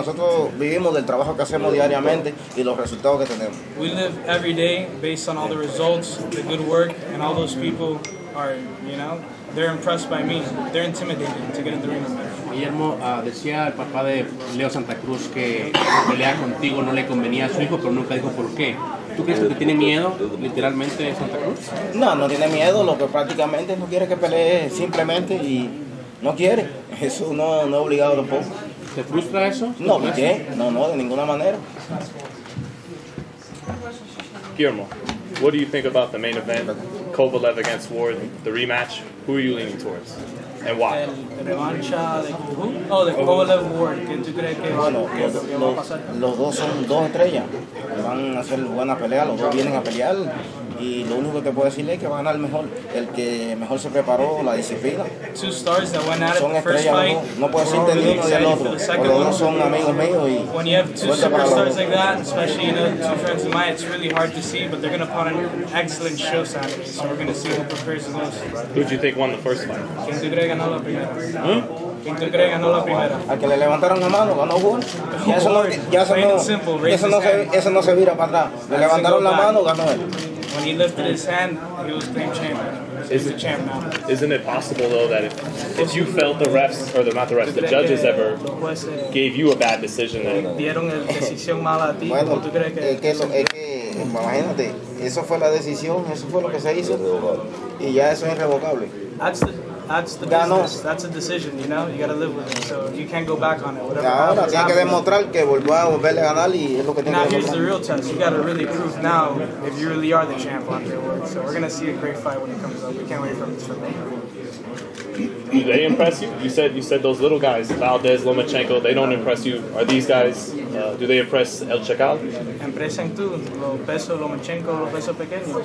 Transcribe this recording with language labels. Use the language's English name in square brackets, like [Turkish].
[Spanish] Nosotros vivimos del trabajo que hacemos diariamente y los resultados que tenemos. [English] We live every day based on all the results, the good work, and all those people are, you know, they're impressed by me. They're intimidated to get in the ring with me. [Spanish] Guillermo, decía el papá de Leo Santa Cruz que pelear contigo no le convenía a su hijo, pero nunca dijo por qué. ¿Tú crees que te tiene miedo, literalmente, Santa Cruz? No, no tiene miedo, lo que prácticamente no quiere que pelee simplemente y no quiere. Eso no es obligado tampoco. ¿Te frustra eso? No, ¿por qué? No, de ninguna manera. [English] Guillermo, what do you think about the main event, Kovalev against Ward, the rematch? Who are you leaning towards? And why? The Kovalev Ward. [Spanish] Los dos son dos estrellas. Van a hacer buena pelea. Los dos vienen a pelear. Y lo único que puedo decirle es que van a ganar mejor. El que mejor se preparó, la disciplina. [English] Two stars that went at it [Spanish] son [English] the first fight. [Spanish] No puedo decir ni uno ni el otro. Los dos son amigos míos. Y [English] when you have two superstars like that, especially you know, two friends of mine, it's really hard to see. But they're going to put on an excellent show Saturday. So we're going to see who prefers the most. Who did you think won the first fight? [Spanish] ¿Quién te cree ganó la primera? ¿Hm? ¿Quién te cree ganó la primera? Al que le levantaron la mano, ganó Juan. Eso no se vira para atrás. Le levantaron la mano, ganó él. [English] When he lifted his hand, he was claimed champ. He's the champ now. Isn't it possible, though, that if you felt the refs, or not the refs, the judges ever gave you a bad decision? [Spanish] Dieron la decisión mala a ti. ¿Cómo tú crees que...? Imagínate, eso fue la decisión, eso fue lo que se hizo, y ya eso es irrevocable. [English] That's the business, that's a decision, you know, you gotta live with it, so you can't go back on it, whatever. [Spanish] Ahora tiene que demostrar que volvió a volverle a ganar y es lo que tiene que hacer. [English] Now here's the real test, you gotta really prove now if you really are the champ on your word, so we're gonna see a great fight when it comes up, we can't wait for it to come. Do they impress you? You said those little guys, Valdez, Lomachenko, they don't impress you. Are these guys, do they impress El Chacal? [Spanish] ¿Impresan tú los pesos Lomachenko, los pesos pequeños?